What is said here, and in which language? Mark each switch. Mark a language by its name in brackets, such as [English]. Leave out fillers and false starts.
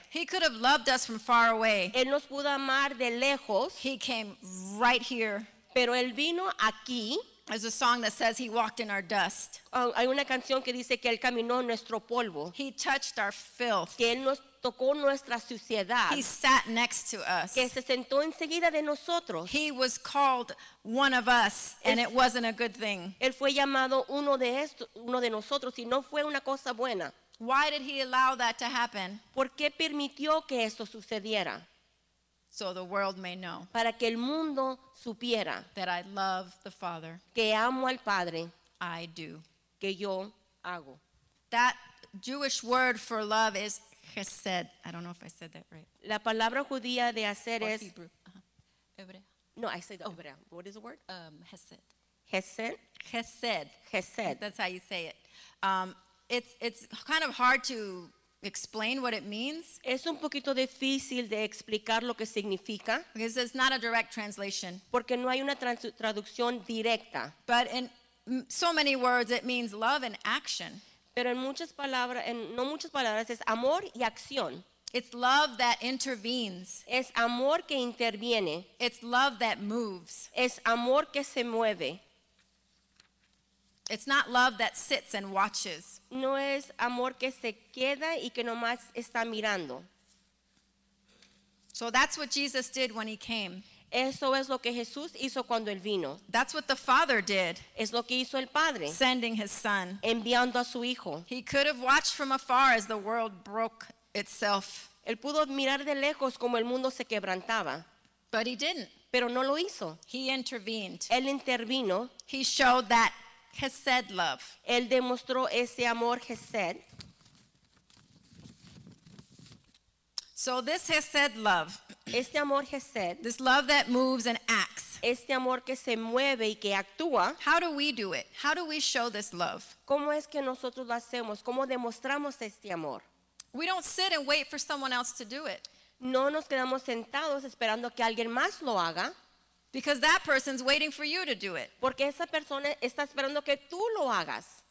[English] He could have loved us from far away. [Spanish] Él nos pudo amar de lejos. [English] He came right here. [Spanish] Pero él vino aquí. [English] There's a song that says he walked in our dust. [Spanish] Hay una canción que dice que él caminó en nuestro polvo. [English] He touched our filth. [Spanish] Que él nos tocó nuestra suciedad. [English] He sat next to us. [Spanish] Que se sentó enseguida de nosotros. [English] He was called one of us, and it wasn't a good thing. [Spanish] Él fue llamado uno de esto, uno de nosotros, y no fue una cosa buena. [English] Why did he allow that to happen? [Spanish] ¿Por qué permitió que esto sucediera? [English] So the world may know. [Spanish] Para que el mundo supiera. [English] That I love the Father. [Spanish] Que amo al Padre. [English] I do. [Spanish] Que yo hago. [English] That Jewish word for love is chesed. I don't know if I said that right. [Spanish] La palabra judía de hacer [English] or [Spanish] es [English] Hebrew. Hebrea. No, I said Hebrea. What is the word? [Hebrew] Chesed. Chesed? Chesed. Chesed. [English] That's how you say it. It's kind of hard to explain what it means. [Spanish] Es un poquito difícil de explicar lo que significa. [English] Because it's not a direct translation. [Spanish] Porque no hay una traducción directa. [English] But in so many words, it means love and action. [Spanish] Pero en muchas palabras, en no muchas palabras, es amor y acción. [English] It's love that intervenes. [Spanish] Es amor que interviene. [English] It's love that moves. [Spanish] Es amor que se mueve. [English] It's not love that sits and watches. [Spanish] No es amor que se queda y que nomás está mirando. [English] So that's what Jesus did when he came. [Spanish] Eso es lo que Jesús hizo cuando él vino. [English] That's what the Father did. [Spanish] Es lo que hizo el Padre. [English] Sending his Son. [Spanish] Enviando a su Hijo. [English] He could have watched from afar as the world broke itself. [Spanish] Él pudo mirar de lejos como el mundo se quebrantaba. [English] But he didn't. [Spanish] Pero no lo hizo. [English] He intervened. [Spanish] Él intervino. [English] He showed that chesed love. [Spanish] Él demostró ese amor chesed. [English] So this chesed love, [Spanish] este amor chesed, [English] this love that moves and acts, [Spanish] este amor que se mueve y que actúa, [English] how do we do it? How do we show this love? [Spanish] ¿Cómo es que nosotros lo hacemos? ¿Cómo demostramos este amor? [English] We don't sit and wait for someone else to do it. [Spanish] No nos quedamos sentados esperando que alguien más lo haga. [English] Because that person's waiting for you to do it. [Spanish] Porque esa persona está esperando que tú lo hagas.